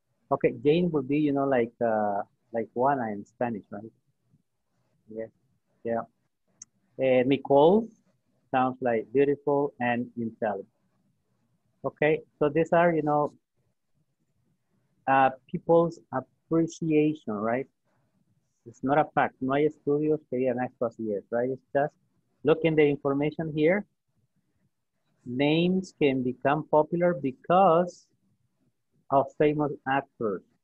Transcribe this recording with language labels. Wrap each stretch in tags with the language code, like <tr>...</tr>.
<en>Okay, Jane would be, you know, like Juana in Spanish, right? Yeah. Nicole sounds like beautiful and intelligent. Okay, so these are, you know, people's appreciation, right? It's not a fact.</en> <es>No hay estudios que digan esto así es, right?</es> <en>It's just looking the information here. Names can become popular because of famous actors.</en>